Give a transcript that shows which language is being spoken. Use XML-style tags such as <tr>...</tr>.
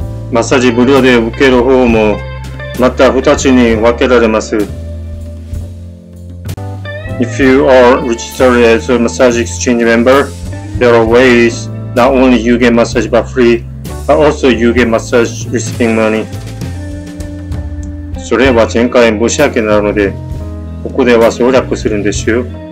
<ja>マッサージ無料で受ける方もまた二つに分けられます。</ja> <en>If you are registered as a massage exchange member, there are ways not only you get massage but free, but also you get massage receiving money.</en> <ja>それは前回申し訳なので、ここでは省略するんですよ。</ja>